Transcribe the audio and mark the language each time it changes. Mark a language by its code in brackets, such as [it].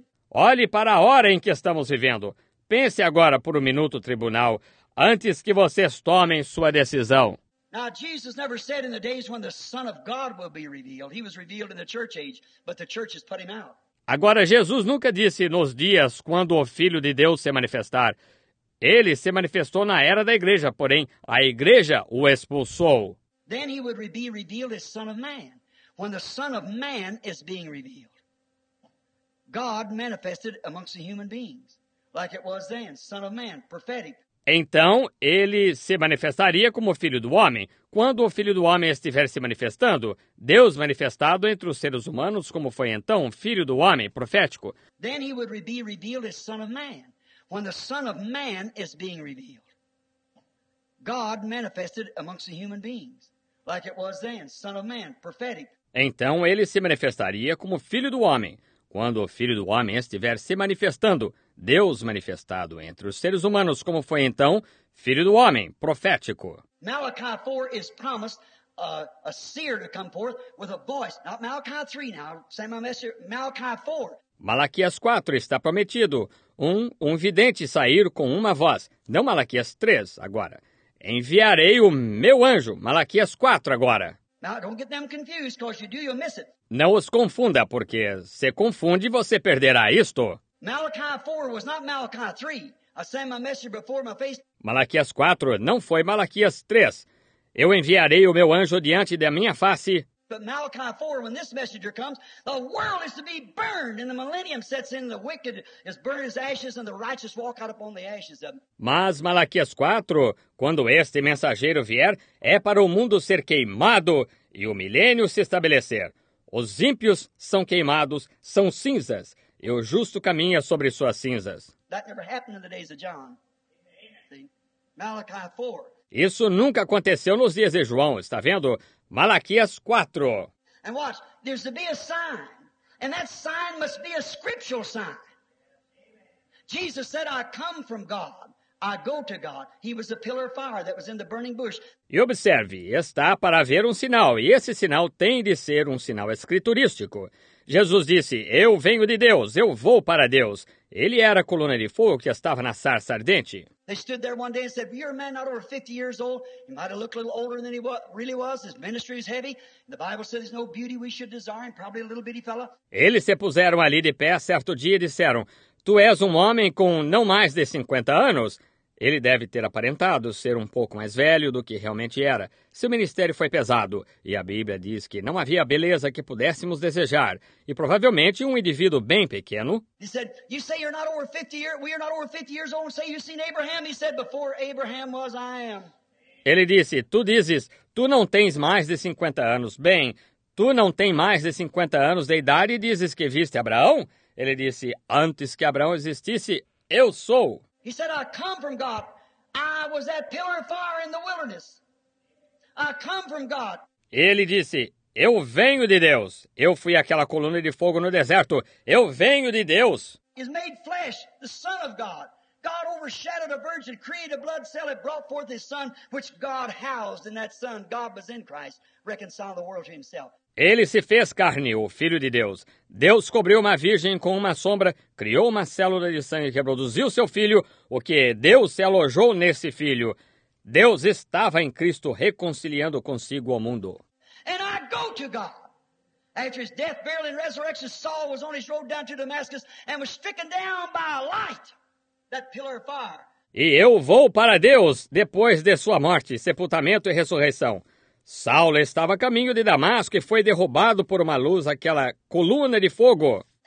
[pt] Olhe para a hora em que estamos vivendo. Pense agora por um minuto, tribunal, antes que vocês tomem sua decisão. [en] Now, Jesus never said in the days when the Son of God will be revealed. He was revealed in the church age, but the church has put him out. [pt] Agora, Jesus nunca disse nos dias quando o Filho de Deus se manifestar. Ele se manifestou na era da igreja, porém, a igreja o expulsou. [en] Then he would be revealed as Son of Man, when the Son of Man is being revealed. God manifested amongst the human beings, like it was then, Son of Man, prophetic. [pt] Então, ele se manifestaria como Filho do Homem. Quando o Filho do Homem estiver se manifestando, Deus manifestado entre os seres humanos, como foi então, Filho do Homem, profético. [en] Then he would be revealed as Son of Man, when the Son of Man is being revealed. God manifested amongst the human beings, like it was then, Son of Man, prophetic. [pt] Então, ele se manifestaria como Filho do Homem. Quando o Filho do Homem estiver se manifestando, Deus manifestado entre os seres humanos, como foi então, Filho do Homem, profético. [en] Malachi 4 is promised a seer to come forth with a voice. Not Malachi 3 now, send my messenger, Malachi 4. [pt] Malaquias 4 está prometido. Um vidente sair com uma voz. Não Malaquias 3 agora. Enviarei o meu anjo, Malaquias 4 agora. [en] Now, don't get them confused, because you do, you'll miss it. [pt] Não os confunda, porque se confunde, você perderá isto. [en] Malachi 4 was not Malachi 3. I sent my messenger before my face. [pt] Malaquias 4 não foi Malaquias 3. Eu enviarei o meu anjo diante da minha face. [en] But Malachi 4, when this messenger comes, the world is to be burned, and the millennium sets in, the wicked is burned as ashes, and the righteous walk out upon the ashes of them. [pt] Mas Malaquias 4, quando este mensageiro vier, é para o mundo ser queimado e o milênio se estabelecer. Os ímpios são queimados, são cinzas, e o justo caminha sobre suas cinzas. [en] That never happened in the days of John. Malachi 4. [pt] Isso nunca aconteceu nos dias de João, está vendo? Malaquias 4. [en] And watch, there's to be a sign, and that sign must be a scriptural sign. Jesus said, I come from God, I go to God. He was the pillar of fire that was in the burning bush. [pt] E observe, está para haver um sinal, e esse sinal tem de ser um sinal escriturístico. Jesus disse, eu venho de Deus, eu vou para Deus. Ele era a coluna de fogo que estava na sarça ardente. [en] They stood there one day and said, you're a man not over 50 years old. You might have looked a little older than he really was. His ministry is heavy. The Bible says there's no beauty we should desire. Probably a little bitty fellow. [pt] Eles se puseram ali de pé certo dia e disseram, tu és um homem com não mais de 50 anos. Ele deve ter aparentado ser um pouco mais velho do que realmente era. Seu ministério foi pesado, e a Bíblia diz que não havia beleza que pudéssemos desejar, e provavelmente um indivíduo bem pequeno. [en] He said, you say you're not over 50 years, we are not over 50 years old, say you've seen Abraham. He said, before Abraham was, I am. [pt] Ele disse, tu dizes, tu não tens mais de 50 anos. Bem, tu não tens mais de 50 anos de idade e dizes que viste Abraão? Ele disse, antes que Abraão existisse, eu sou. [en] He said, I come from God. I was that pillar of fire in the wilderness. I come from God. [pt] Ele disse, eu venho de Deus. Eu fui aquela coluna de fogo no deserto. Eu venho de Deus. [en] He's made flesh, the Son of God. God overshadowed a virgin, created a blood cell, and brought forth his Son, which God housed in that Son. God was in Christ, reconciled the world to himself. [pt] Ele se fez carne, o Filho de Deus. Deus cobriu uma virgem com uma sombra, criou uma célula de sangue que produziu seu Filho, o que Deus se alojou nesse Filho. Deus estava em Cristo reconciliando consigo o mundo. [en] And I go to God. After his death, burial, and resurrection, Saul was on his road down to Damascus and was stricken down by a light, that pillar of fire. [pt] E eu vou para Deus depois de sua morte, sepultamento e ressurreição. Saulo estava a caminho de Damasco e foi derrubado por uma luz, aquela coluna de fogo.